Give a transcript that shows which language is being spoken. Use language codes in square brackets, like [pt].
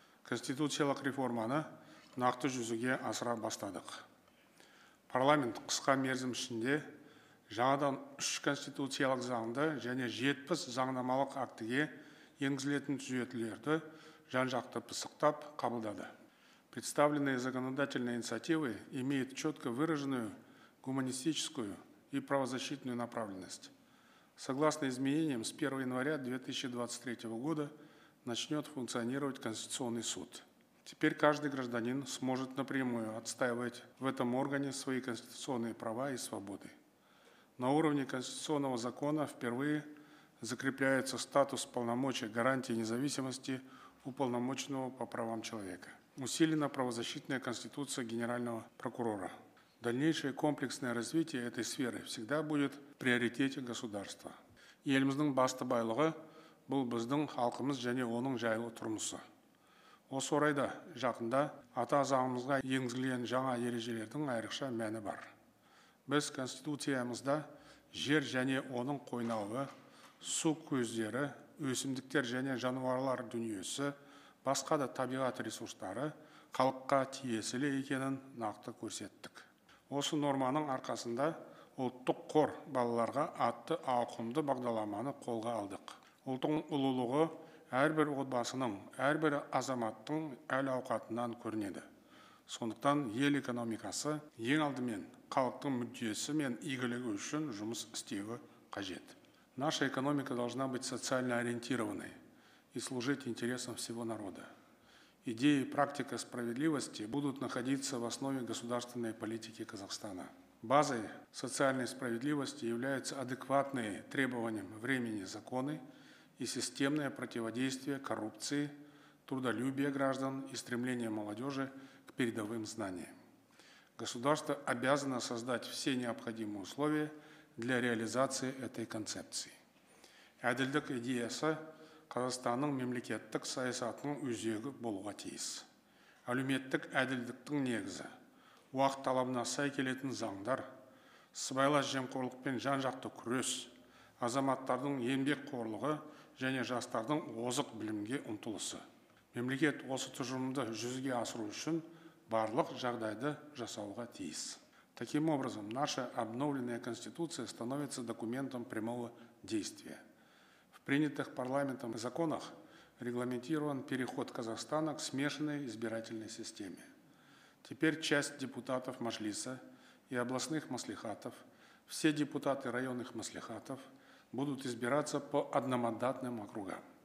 [kk] Конституциялық реформаны нақты жүзеге асыра бастадық. Парламент қысқа мерзім ішінде жаңадан 3 конституциялық заңды және 70 заңнамалық актіге енгізілетін түзетулерді жан-жақты пысықтап қабылдады. [ru] Представленные законодательные инициативы имеют четко выраженную гуманистическую и правозащитную направленность. Согласно изменениям, с 1 января 2023 года начнет функционировать Конституционный суд. Теперь каждый гражданин сможет напрямую отстаивать в этом органе свои конституционные права и свободы. На уровне конституционного закона впервые закрепляется статус полномочий гарантии независимости уполномоченного по правам человека. Усилена правозащитная конституция генерального прокурора. Дальнейшее комплексное развитие этой сферы всегда будет в приоритете государства. [kk] Еліміздің басты байлығы бұл біздің халқымыз және оның жайлы тұрмысы. Осы орайда жақында ата заңымызға енгізілген жаңа ережелердің айрықша мәні бар. Біз конституциямызда жер және оның қойнауы, су көздері, өсімдіктер және жануарлар дүниесі, басқа да табиғат ресурстары халыққа тиесілі екенін нақты көрсеттік. Осы норманың арқасында ұлттық қор балаларға атты ауқымды бағдарламаны қолға алдық. Ұлттың ұлылығы әрбір отбасының, әрбір азаматтың әл-ауқатынан көрінеді. Сондықтан ел экономикасы ең алдымен халықтың мүддесі мен игілігі үшін жұмыс істеуі қажет. [ru] Наша экономика должна быть социально ориентированной и служить интересам всего народа. Идеи и практика справедливости будут находиться в основе государственной политики Казахстана. Базой социальной справедливости являются адекватные требованиям времени законы и системное противодействие коррупции, трудолюбие граждан и стремление молодежи к передовым знаниям. Государство обязано создать все необходимые условия для реализации этой концепции. [kk] Әділдік идеясы Қазақстанның мемлекеттік саясатының өзегі болуға тиіс. Әлеуметтік әділдіктің негізі, уақыт талабына сай келетін заңдар, сыбайлас жемқорлықпен жан-жақты күрес, азаматтардың еңбекқорлығы және жастардың озық білімге ұмтылысы. Мемлекет осы тұжырымды жүзеге асыру үшін барлық жағдайды жасауға тиіс. [ru] Таким образом, наша обновленная конституция становится документом прямого действия. В принятых парламентом законах регламентирован переход Казахстана к смешанной избирательной системе. Теперь часть депутатов Мажлиса и областных маслихатов, все депутаты районных маслихатов будут избираться по одномандатным округам.